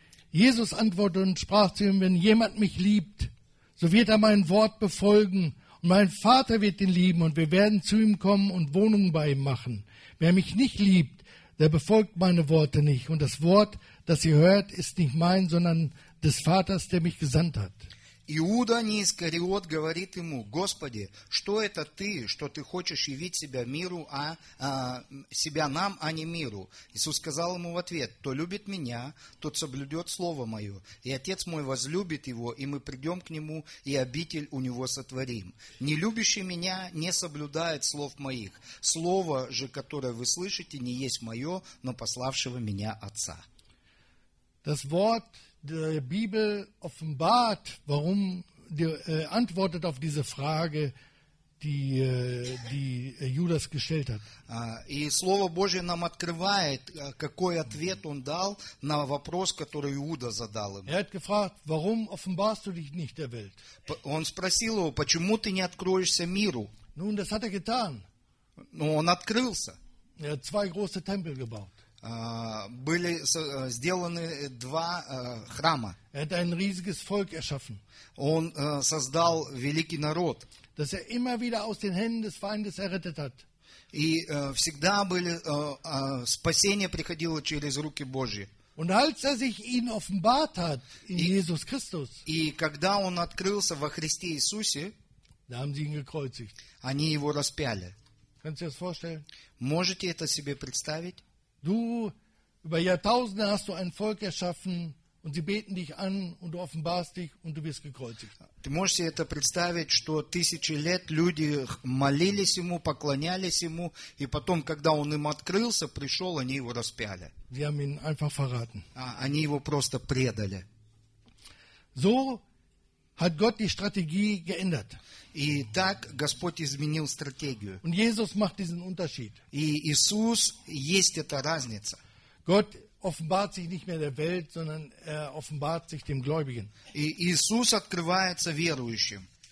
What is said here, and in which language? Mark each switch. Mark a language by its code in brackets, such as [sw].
[de] Jesus antwortete und sprach zu ihm: Wenn jemand mich liebt, so wird er mein Wort befolgen, und mein Vater wird ihn lieben, und wir werden zu ihm kommen und Wohnung bei ihm machen. Wer mich nicht liebt, der befolgt meine Worte nicht, und das Wort, das ihr hört, ist nicht mein, sondern des Vaters, der mich gesandt hat. [ru] Иуда не Искариот говорит ему: Господи, что это ты, что ты хочешь явить себя миру, себя нам, а не миру? Иисус сказал ему в ответ: кто любит меня, тот соблюдет слово мое, и отец мой возлюбит его, и мы придем к нему, и обитель у него сотворим. Не любящий меня не соблюдает слов моих, слово же, которое вы слышите, не есть мое, но пославшего меня отца. [de] Das Wort der Bibel offenbart, warum antwortet auf diese Frage, die Judas gestellt hat. [ru] И слово Божье нам открывает, какой ответ он дал на вопрос, который Иуда задал ему. [de] Er hat gefragt, warum offenbarst du dich nicht der Welt? [ru] Он спросил его, почему ты не откроешься миру? [de] Nun, das hat er getan. [ru] Но он открылся. [de] Er hat zwei große Tempel gebaut. [ru] Были сделаны два храма. Это [de] ein riesiges Volk erschaffen. [ru] Он создал великий народ. [de] Das er immer wieder aus den Händen des Feindes errettet hat. [ru] И всегда были спасение приходило через руки Божьи. [de] Und als er sich ihnen offenbart hat in Jesus Christus. [ru] И когда он открылся во Христе Иисусе, [de] da haben sie ihn gekreuzigt. [ru] Они его распяли. [de] Kannst du dir das vorstellen? [ru] Можете это себе представить? [de] Du, über Jahrtausende hast du ein Volk erschaffen und sie beten dich an und du offenbarst dich und du wirst gekreuzigt. [ru] Ты можешь себе это представить, что тысячи лет люди молились ему, поклонялись ему, и потом, когда он им открылся, пришел, они его распяли. [de] Sie haben ihn einfach verraten. [ru] Они его просто предали. [de] So hat Gott die Strategie geändert. [ru] И так Господь изменил стратегию. [de] Und Jesus macht diesen Unterschied. [ru] И Иисус есть эта разница. [de] Gott offenbart sich nicht mehr der Welt, sondern er offenbart sich dem Gläubigen. [ru] И Иисус открывается верующим.